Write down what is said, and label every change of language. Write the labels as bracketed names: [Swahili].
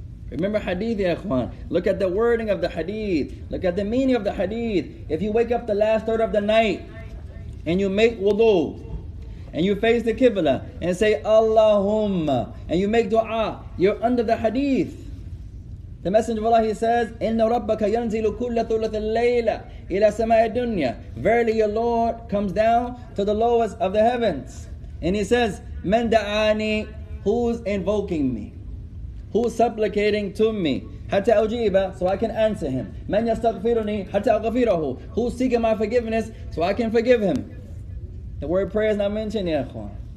[English] Remember hadith, ya ikhwan. Look at the wording of the hadith. Look at the meaning of the hadith. If you wake up the last third of the night and you make wudu and you face the Qibla and say Allahumma and you make dua, you're under the hadith. The Messenger of Allah, he says, [Arabic] إِنَّ رَبَّكَ يَنْزِلُ كُلَّ ثُلَثِ اللَّيْلَ إِلَى سَمَاءِ الدُّنْيَا. [English] Verily your Lord comes down to the lowest of the heavens. And he says, [Arabic] مَنْ دَعَانِي. [English] Who's invoking me? Who's supplicating to me? [Arabic] حَتَّى أُجِيبَ. [English] So I can answer him. [Arabic] مَنْ يَسْتَغْفِرُنِي. حَتَّى أَغْفِرَهُ. [English] Who's seeking my forgiveness? So I can forgive him. The word prayer is not mentioned, ya ikhwan.